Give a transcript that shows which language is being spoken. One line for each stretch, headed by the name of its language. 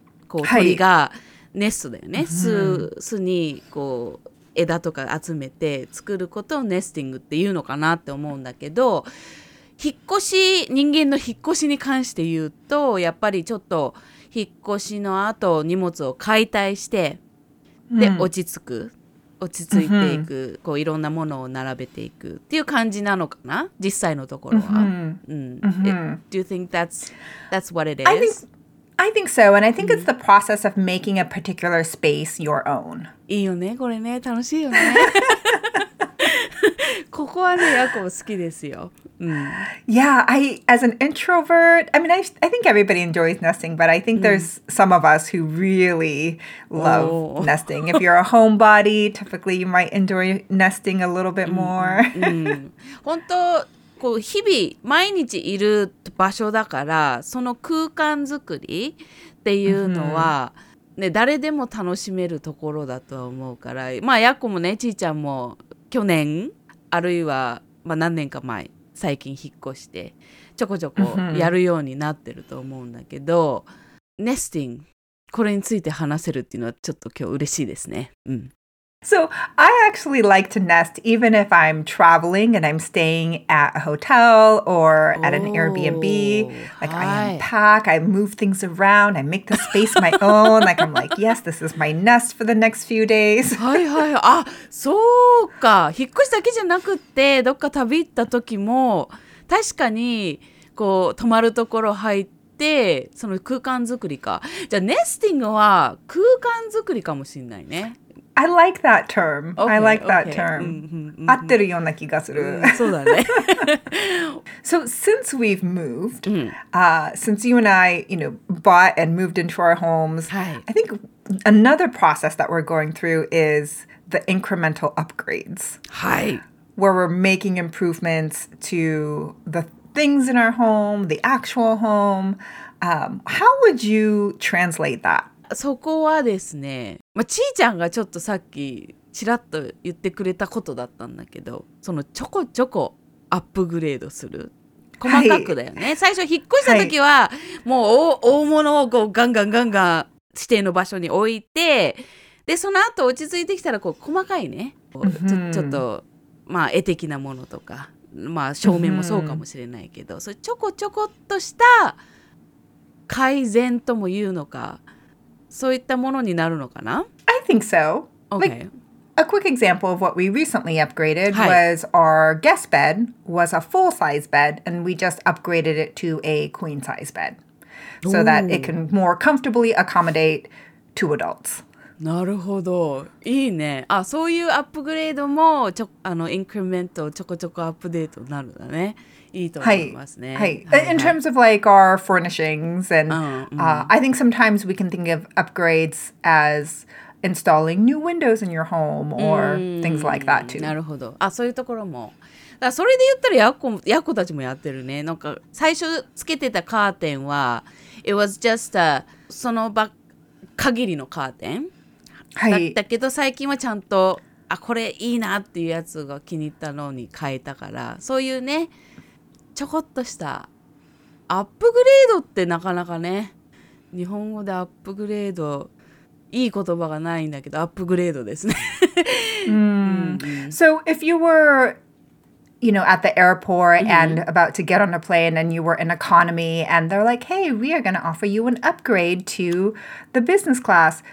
Japanese: こう、鳥が、はいネストだよね、巣にこう枝とか集めて作ることをネスティングっていうのかなって思うんだけど引っ越し人間の引っ越しに関して言うとやっぱりちょっと引っ越しのあと荷物を解体してで落ち着く落ち着いていくこういろんなものを並べていくっていう感じなのかな実際のところは、
English: Do you think that's what it is? I think so, and I think it's the process of making a particular space your own.
Japanese: いいよね、これね、楽しいよね。ここはね、やこ好きですよ。
English: Yeah, as an introvert, I mean, I think everybody enjoys nesting, but I think there's some of us who really love nesting. If you're a homebody, typically you might enjoy nesting a little bit more.
Japanese: 本当、こう日々毎日いる場所だからその空間作りっていうのは、ね、誰でも楽しめるところだとは思うからまあやっこもねちいちゃんも去年あるいは、まあ、何年か前最近引っ越してちょこちょこやるようになってると思うんだけどネスティングこれについて話せるっていうのはちょっと今日嬉しいですね。
English: So I actually like to nest even if I'm traveling and I'm staying at a hotel or at an Airbnb. Like I unpack, I move things around, I make the space my own. Like I'm like, yes, this is my nest for the next few days.
Japanese: はいはい。あ、そうか。引っ越しだけじゃなくて、どっか旅行った時も、確かにこう泊まるところ入って、その空間作りか。じゃあネスティングは空間作りかもしれないね。
English: I like that term. Okay, I like that term.
Japanese: 合ってるような気がする。そうだね。
English: So since we've moved, since you and I, you know, bought and moved into our homes, I think another process that we're going through is the incremental upgrades.
Japanese: はい。
English: Where we're making improvements to the things in our home, the actual home. How would you translate that?
Japanese: そこはですね、まあ、ちーちゃんがちょっとさっきちらっと言ってくれたことだったんだけどそのちょこちょこアップグレードする細かくだよね、はい、最初引っ越した時は、はい、もう 大物をこうガンガンガンガン指定の場所に置いてでその後落ち着いてきたらこう細かいねちょっとまあ絵的なものとかまあ照明もそうかもしれないけどそれちょこちょこっとした改善とも言うのかそういったものになるのかな?
English: I think so. Okay. Like, a quick example of what we recently upgraded was our guest bed was a full-size bed and we just upgraded it to a queen-size bed so that it can more comfortably accommodate two adults.
Japanese: なるほど。いいね。あ、そういうアップグレードもちょ、あの、インクリメントちょこちょこアップデートになるんだね。
English: はい、はい、In terms of like our furnishings and I think sometimes we can think of upgrades as installing new windows in your home or things like that too.
Japanese: なるほど。あ、そういうところも。だそれで言ったらやっこたちもやってるね。なんか最初つけてたカーテンは
English: It was just a
Japanese: その場限りのカーテン、はい、だったけど最近はちゃんとあこれいいなっていうやつが気に入ったのに変えたからそういうねちょこっとしたアップグレードってなかなかね日本語でアップグレードいい言葉がないんだけどアップグレードですね
English: So if you were you know, at the airport and about to get on a plane and you were in economy and they're like, hey, we are going to offer you an upgrade to the business class.